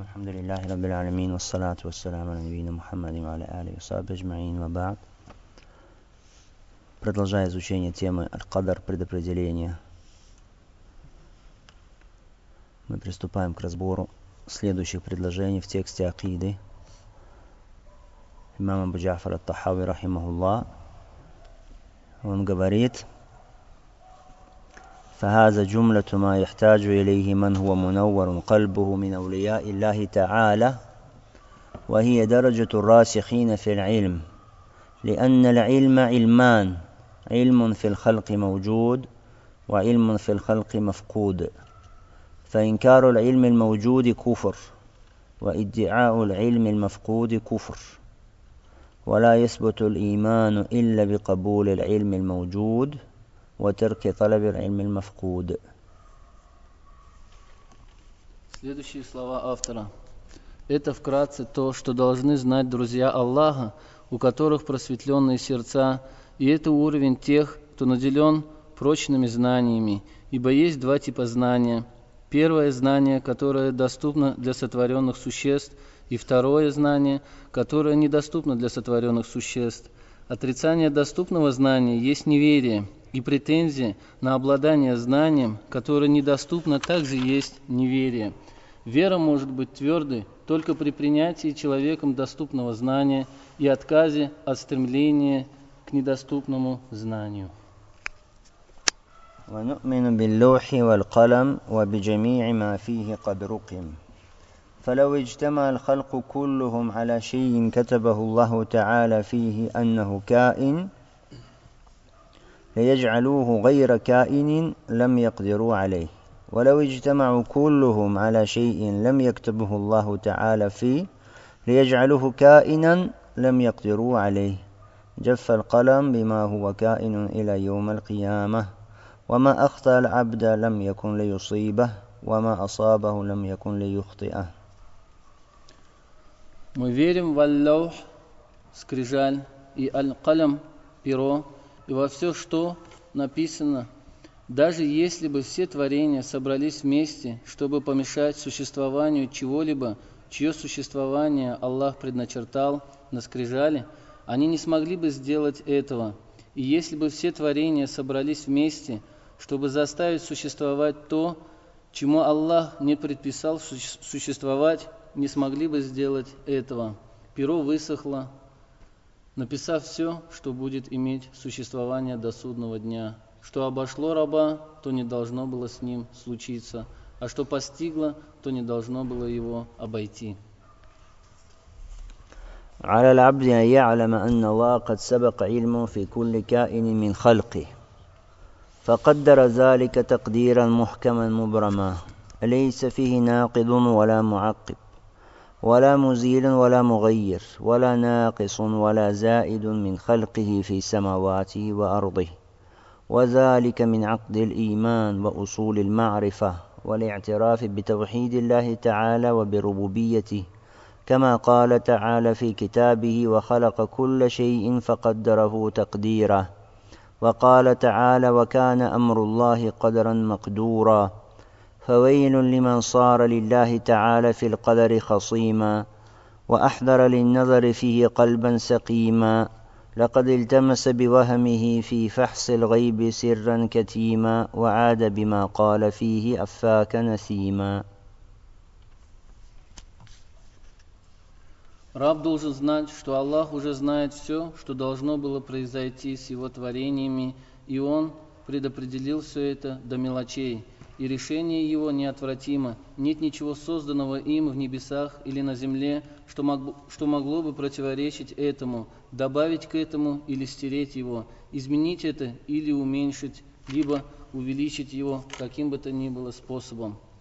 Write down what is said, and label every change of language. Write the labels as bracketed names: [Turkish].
[Arabic] الحمد لله رب العالمين، والصلاة والسلام على نبينا محمد وعلى آله وصحبه أجمعين، وبعد. [Russian] Продолжая изучение темы «Аль-Кадр» – предопределение, мы приступаем к разбору следующих предложений в тексте «Акиды». Имам Абу Джафар ат-Тахави, рахимахуллах, он говорит: [Arabic] فهذا جملة ما يحتاج إليه من هو منور قلبه من أولياء الله تعالى، وهي درجة الراسخين في العلم، لأن العلم علمان: علم في الخلق موجود، وعلم في الخلق مفقود. فإنكار العلم الموجود كفر، وإدعاء العلم المفقود كفر، ولا يثبت الإيمان إلا بقبول العلم الموجود وترك طلب العلم المفقود. [Russian] Следующие слова автора. Это вкратце то, что должны знать друзья Аллаха, у которых просветленные сердца, и это уровень тех, кто наделен прочными знаниями, ибо есть два типа знания. Первое знание, которое доступно для сотворенных существ, и второе знание, которое недоступно для сотворенных существ. Отрицание доступного знания есть неверие, и претензии на обладание знанием, которое недоступно, также есть неверие. Вера может быть твердой только при принятии человеком доступного знания и отказе от стремления к недоступному знанию. [Arabic] ونؤمن باللوح والقلم وبجميع ما فيه قد رقم. فلو اجتمع الخلق كلهم على شيء كتبه الله تعالى فيه أنه كائن ليجعلوه غير كائن لم يقدروا عليه، ولو اجتمعوا كلهم على شيء لم يكتبه الله تعالى فيه ليجعلوه كائنا لم يقدروا عليه. جف القلم بما هو كائن إلى يوم القيامة، وما أخطأ العبد لم يكن ليصيبه، وما أصابه لم يكن ليخطئه. [Russian] Мы верим в Аллах, скрижаль, и Аль-Калам, перо, и во все, что написано. Даже если бы все творения собрались вместе, чтобы помешать существованию чего-либо, чье существование Аллах предначертал на скрижали, они не смогли бы сделать этого. И если бы все творения собрались вместе, чтобы заставить существовать то, чему Аллах не предписал существовать, не смогли бы сделать этого. Перо высохло, написав все, что будет иметь существование до судного дня. Что обошло раба, то не должно было с ним случиться, а что постигло, то не должно было его обойти. [Arabic] على العبد أن يعلم أن الله قد سبق علمه في كل كائن من خلقه، فقدر ذلك تقديرا محكما مبرما ليس فيه ناقض ولا معقب ولا مزيل ولا مغير ولا ناقص ولا زائد من خلقه في سماواته وأرضه، وذلك من عقد الإيمان وأصول المعرفة والاعتراف بتوحيد الله تعالى وبربوبيته، كما قال تعالى في كتابه: وخلق كل شيء فقدره تقديرا، وقال تعالى: وكان أمر الله قدرا مقدورا. فويل لمن صار لله تعالى في القدر خصيما وأحضر للنظر فيه قلبا سقيما، لقد التمس بوهمه في فحص الغيب سرا كتيما وعاد بما قال فيه أفاك نثيما. [Russian] Раб должен знать, что Аллах уже знает все, что должно было произойти с его творениями, и он предопределил все это до мелочей. И решение его неотвратимо. Нет ничего созданного им в небесах или на земле, что могло бы противоречить этому, добавить к этому или стереть его, изменить это или уменьшить, либо увеличить его каким бы то ни было способом.